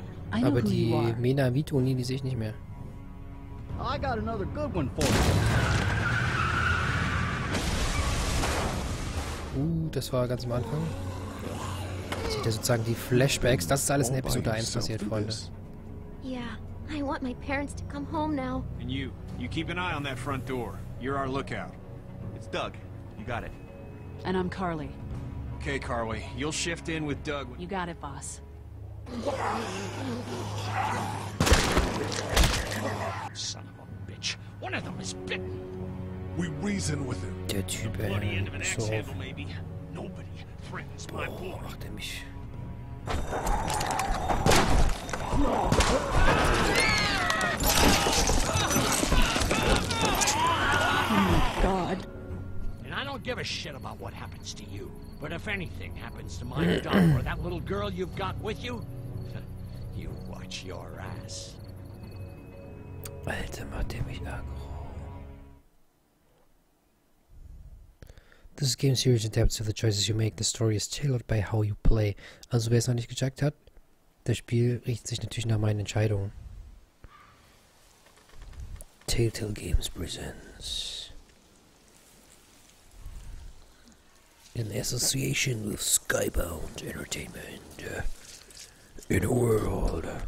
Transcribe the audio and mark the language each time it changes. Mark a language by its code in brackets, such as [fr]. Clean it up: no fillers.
[de] Aber die Mena Vitoni, die sehe ich nicht mehr. [en] I got another good one for you. [de] Das war ganz am Anfang. Seht ihr sozusagen die Flashbacks? Das ist alles in Episode 1 passiert, Freunde. [en] Yeah, I want my parents to come home now. And you, you keep an eye on that front door. You're our lookout. It's Doug. You got it. And I'm Carly. Okay, Carly. You'll shift in with Doug. You got it, boss. Son of a bitch. One of them is bitten. We reason with him. [de] Der Typ, [en] the bloody end of an axe handle, maybe. Nobody threatens my boy. [de] Boah, macht er mich. [en] God. And I don't give a shit about what happens to you, but if anything happens to my daughter or that little girl you've got with you, you watch your ass. [de] Alter, macht er mich aggro. [en] This game series adapts to the choices you make. The story is tailored by how you play. [de] Also, wer es noch nicht gecheckt hat, das Spiel richtet sich natürlich nach meinen Entscheidungen. [en] Telltale Games presents in association with Skybound Entertainment in a world.